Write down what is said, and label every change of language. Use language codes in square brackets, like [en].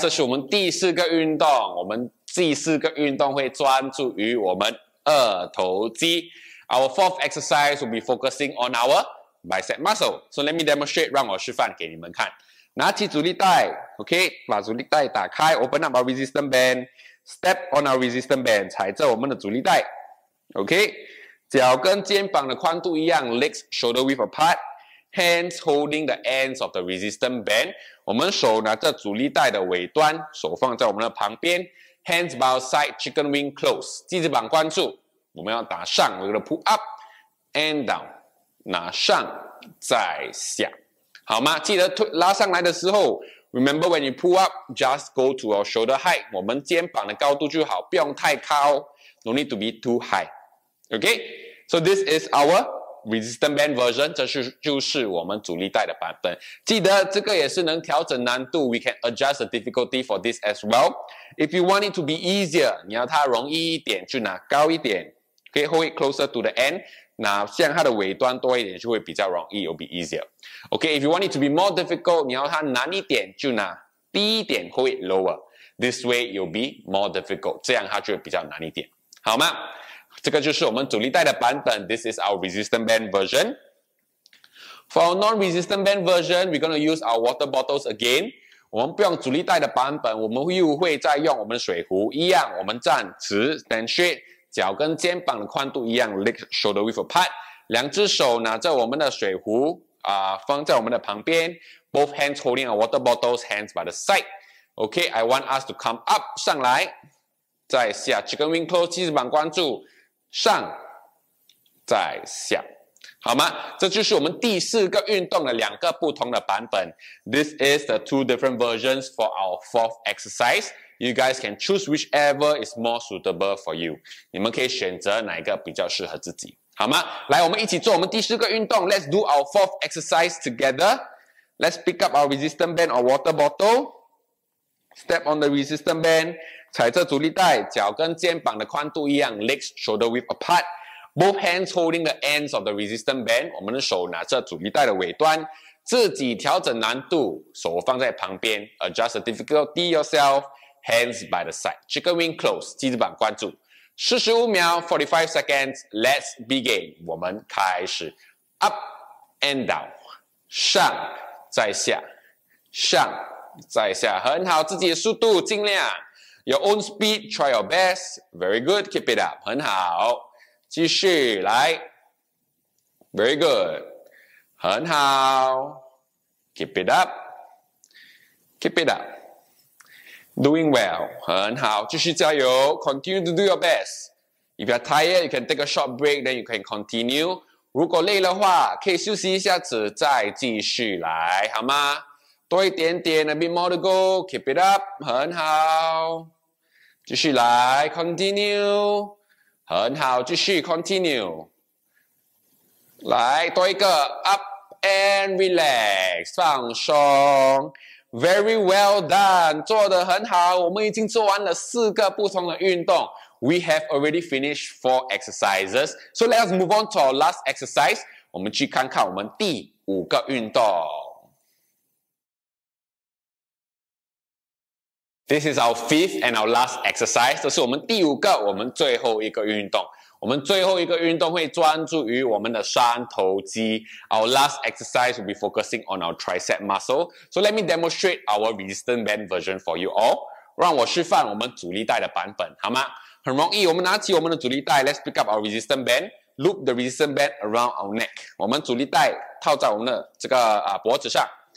[zh] 这是我们第四个运动，我们第四个运动会专注于我们二头肌。 [en] Our fourth exercise will be focusing on our bicep muscle. So let me demonstrate. [zh] 让我示范给你们看。拿起阻力带 [en] ，OK， [zh] 把阻力带打开 [en] ，open up our resistance band. Step on our resistance band, [zh] 踩着我们的阻力带 [en] OK? [zh] 脚跟肩膀的宽度一样 [en] legs shoulder width apart, hands holding the ends of the resistance band. [zh] 我们手拿着阻力带的尾端手放在我们的旁边 [en] hands by our side, chicken wing close, [zh] 肌肉板关注我们要打上 [en] we're going to pull up and down, [zh] 拿上再下好吗记得拉上来的时候 [en] Remember when you pull up, just go to our shoulder height. [zh] 我们肩膀的高度就好，不用太高。 [en] No need to be too high. Okay? So this is our resistance band version. [zh] 这是就是我们阻力带的版本。记得这个也是能调整难度。 [en] We can adjust the difficulty for this as well. If you want it to be easier, [zh] 你要它容易一点，就拿高一点。 [en] Okay, hold it closer to the end. [zh] 那像它的尾端多一点就会比较容易 [en] ,it'll be easier. Okay, if you want it to be more difficult, [zh] 你要它难一点就拿低一点 [en] ,hold it lower. This way, it'll be more difficult. [zh] 这样它就会比较难一点。好吗这个就是我们阻力带的版本 , [en] this is our resistance band version. For our non-resistance band version, we're gonna use our water bottles again. [zh] 我们不用阻力带的版本我们又会再用我们的水壶一样我们站直 , [en] stand straight. [zh] 脚跟肩膀的宽度一样 , [en] leg shoulder width apart, [zh] 两只手拿着我们的水壶放在我们的旁边 , [en] both hands holding our water bottles, hands by the side. Okay, I want us to come up, [zh] 上来再下 [en] ,chicken wing close, [zh] 肌肉板关注上再下。好吗？这就是我们第四个运动的两个不同的版本。 [en] This is the two different versions for our fourth exercise. You guys can choose whichever is more suitable for you. [zh] 你们可以选择哪一个比较适合自己，好吗？来，我们一起做我们第四个运动。 [en] Let's do our fourth exercise together. Let's pick up our resistance band or water bottle. Step on the resistance band. [zh] 踩着阻力带，脚跟肩膀的宽度一样 ， [en] legs shoulder width apart. Both hands holding the ends of the resistance band. [zh] 我们的手拿着阻力带的尾端，自己调整难度，手放在旁边。 [en] Adjust the difficulty yourself. Hands by the side. Chicken wing close. [zh] 鸡翅膀关注。 [en] 45秒 ,45 seconds. Let's begin. [zh] 我们开始。 [en] Up and down. [zh] 上再下。上再下。很好，自己的速度尽量。 [en] Your own speed. Try your best. Very good. Keep it up. [zh] 很好。继续来 [en] ，very good， 很好 ，keep it up， doing well， [zh] 很好，继续加油 [en] ，continue to do your best。 If you're tired, you can take a short break, then you can continue。 [zh] 如果累的话，可以休息一下子再继续来，好吗？多一点点 [en] ，a bit more to go，keep it up， [zh] 很好，继续来 [en] ，continue。 [zh] 很好，继续 [en] continue， [zh] 来多一个 [en] up and relax， [zh] 放松 ， [en] very well done， [zh] 做得很好。我们已经做完了四个不同的运动 [en] ，we have already finished four exercises， so let's move on to our last exercise， [zh] 我们去看看我们第五个运动。 [en] This is our fifth and our last exercise. [zh] 这是我们第五个，我们最后一个运动。我们最后一个运动会专注于我们的三头肌。 [en] Our last exercise will be focusing on our tricep muscle. So let me demonstrate our resistance band version for you all. [zh] 让我示范我们阻力带的版本，好吗？很容易，我们拿起我们的阻力带。 [en] Let's pick up our resistance band. Loop the resistance band around our neck. [zh] 我们阻力带套在我们的这个脖子上。